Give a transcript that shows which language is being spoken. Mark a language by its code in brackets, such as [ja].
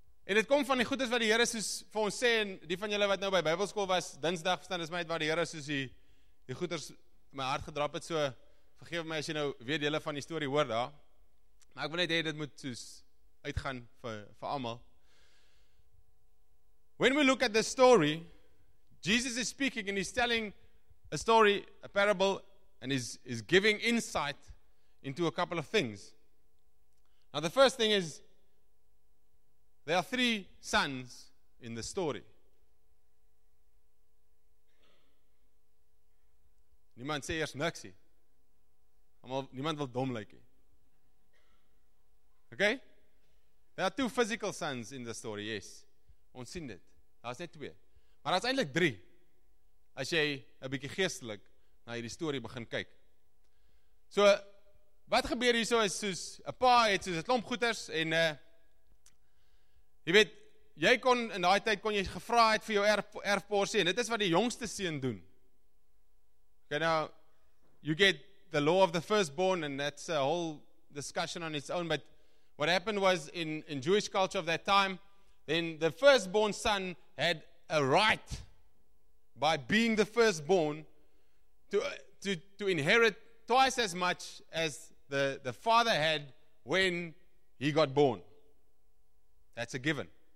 [af] En dit kom van die goeders wat die Here soos vir ons sê, en die van julle wat nou by Bybelskool was, Dinsdag verstaan is my het waar die Here soos die goeders my hart gedrap het, so vergeef my as jy nou weer dele van die story hoor daar, maar ek wil net hê dit moet soos uitgaan vir almal. [en] When we look at the story, Jesus is speaking and he's telling a story, a parable, and is giving insight into a couple of things. Now the first thing is, there are three sons in the story. [af] Niemand sê eers niks nie. Niemand wil dom lyk nie. [en] Okay? There are two physical sons in the story, yes. [af] Ons sien dit. Daar is net twee. Maar daar is eintlik drie. As jy 'n bietjie geestelik na hierdie storie begin kyk. So, wat gebeur hierso is soos, 'n pa het soos 'n klomp goeders en, jy weet, jy kon in daai tyd, kon jy gevra het vir jou erfporsie, en dit is wat die jongste seun doen. [en] Okay, now, you get the law of the firstborn, and that's a whole discussion on its own, but what happened was in Jewish culture of that time, then the firstborn son had a right by being the firstborn to inherit twice as much as the father had when he got born. That's a given.